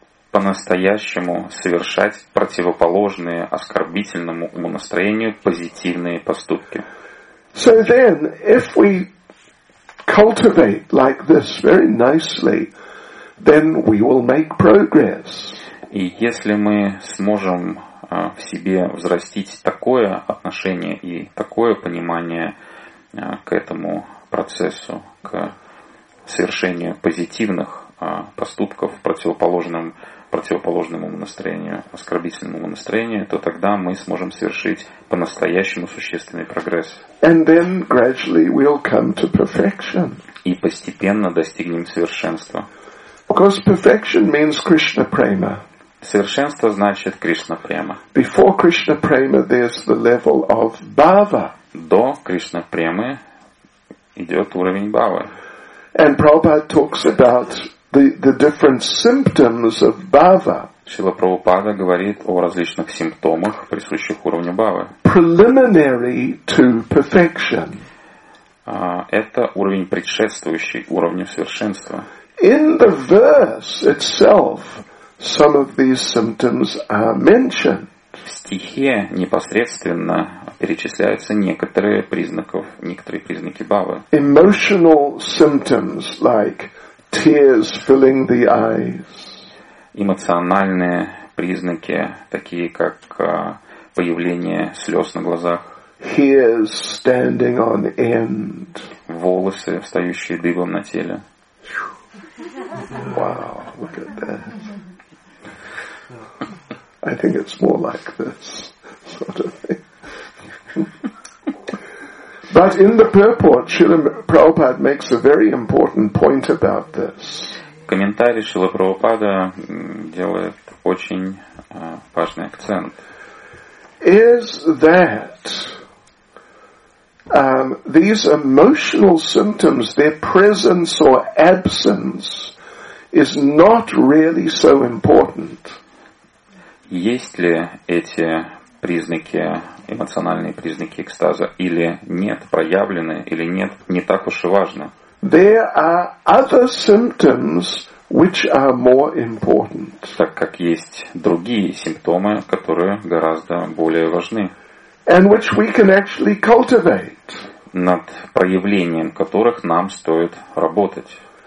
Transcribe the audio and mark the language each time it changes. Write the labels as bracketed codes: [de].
[ru] По-настоящему совершать противоположные оскорбительному умонастроению позитивные поступки. [en] So then, if we cultivate like this very nicely, then we will make progress. [ru] И если мы сможем в себе взрастить такое отношение и такое понимание к этому процессу, к совершению позитивных поступков противоположному настроению, оскорбительному настроению, то тогда мы сможем совершить по-настоящему существенный прогресс. [en] And then gradually we'll come to perfection. [ru] И постепенно достигнем совершенства. [en] Because perfection means Krishna prema. [ru] Совершенство значит Кришна према. [en] Before Krishna prema, there's the level of bhava. [ru] До Кришна премы идет уровень бхавы. [en] And Prabhupada talks about the different symptoms of bhava. [ru] Шрила Прабхупада говорит о различных симптомах, присущих уровню бхавы. [en] Preliminary to perfection. [ru] Это уровень, предшествующий уровню совершенства. [en] In the verse itself, some of these symptoms are mentioned. [ru] В стихе непосредственно перечисляются некоторые признаки бхавы. [en] Emotional symptoms like tears filling the eyes. [ru] Эмоциональные признаки, такие как появление слез на глазах. [en] Hairs standing on end. [ru] Волосы, встающие дыбом на теле. [en] Wow, look at that. I think it's more like this sort of thing. But in the purport, Srila Prabhupada makes a very important point about this. [ru] Комментарий Шрилы Прабхупады делает очень важный акцент. [en] Is that these emotional symptoms, their presence or absence, is not really so important. [ru] Есть ли эти признаки, эмоциональные признаки экстаза, или нет, проявлены, или нет, не так уж и важно. [en] There are other symptoms which are more important. [ru] Так как есть другие симптомы, которые гораздо более важны. [en] And which we can actually cultivate. [ru] Над проявлением которых нам стоит работать.